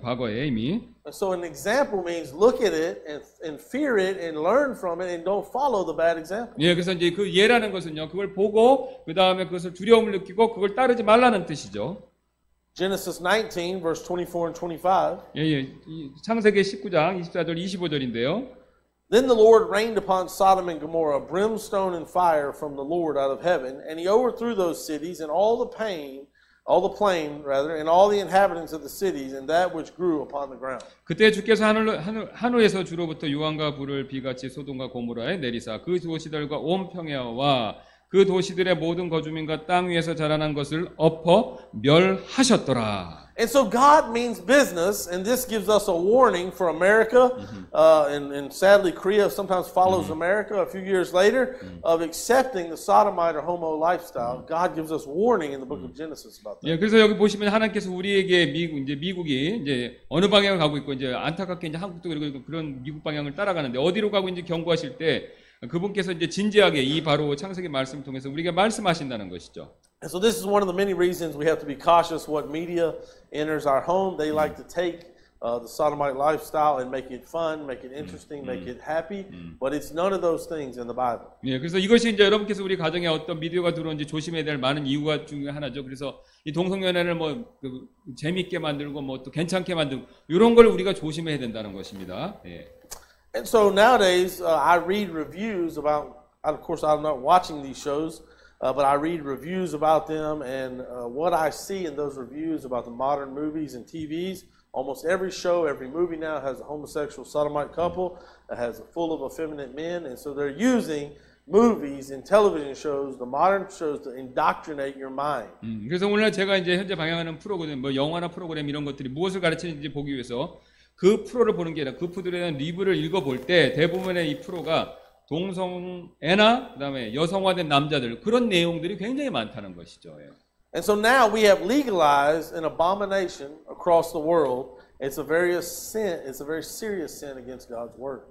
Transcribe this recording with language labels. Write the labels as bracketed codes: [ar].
[ko] 과거에 이미. [en] And so an example means look at it and fear it and learn from it and don't follow the bad example. [ko] 예, 그래서 이제 그 예라는 것은요, 그걸 보고 그 다음에 그것을 두려움을 느끼고 그걸 따르지 말라는 뜻이죠. [en] Genesis 19, verse 24 and 25. [ko] 예, 창세기 19장 24절 25절인데요. [en] Then the Lord rained upon Sodom and Gomorrah brimstone and fire from the Lord out of heaven, and he overthrew those cities and all the plain, and all the inhabitants of the cities and that which grew upon the ground. [ko] 그때 주께서 하늘에서 주로부터 유황과 불을 비같이 소돔과 고모라에 내리사 그 도시들과 온 평야와 그 도시들의 모든 거주민과 땅 위에서 자라난 것을 엎어 멸하셨더라. [en] And so God means business, and this gives us a warning for America, and sadly Korea sometimes follows America a few years later of accepting the sodomite or homo lifestyle. God gives us warning in the book of Genesis about that. [ko] 예, 그래서 여기 보시면 하나님께서 우리에게 미국이 이제 어느 방향을 가고 있고 이제 안타깝게 이제 한국도 그리고 그런 미국 방향을 따라가는데 어디로 가고 있는지 경고하실 때 그분께서 이제 진지하게 이 바로 창세기 말씀을 통해서 우리가 말씀하신다는 것이죠. [en] And so this is one of the many reasons we have to be cautious what media enters our home. They like to take the sodomite lifestyle and make it fun, make it interesting, make it happy, but it's none of those things in the Bible. [ko] 예, 그래서 이것이 이제 여러분께서 우리 가정에 어떤 미디어가 들어온지 조심해야 될 많은 이유가 중에 하나죠. 그래서 이 동성연애를 뭐 그 재밌게 만들고 뭐 또 괜찮게 만들고 이런 걸 우리가 조심해야 된다는 것입니다. 예. [en] And so nowadays, I read reviews about, of course, I'm not watching these shows, but I read reviews about them, and what I see in those reviews about the modern movies and TVs, almost every show, every movie now has a homosexual sodomite couple, it has a full of effeminate men, and so they're using movies and television shows, the modern shows, to indoctrinate your mind. [ko] 그래서 오늘 제가 이제 현재 방영하는 프로그램, 뭐 영화나 프로그램 이런 것들이 무엇을 가르치는지 보기 위해서 그 프로를 보는 게 아니라 그 프로들의 리뷰를 읽어볼 때 대부분의 이 프로가 동성애나 그다음에 여성화된 남자들 그런 내용들이 굉장히 많다는 것이죠. [en] And so now we have legalized an abomination across the world. It's a very sin. It's a very serious sin against God's word.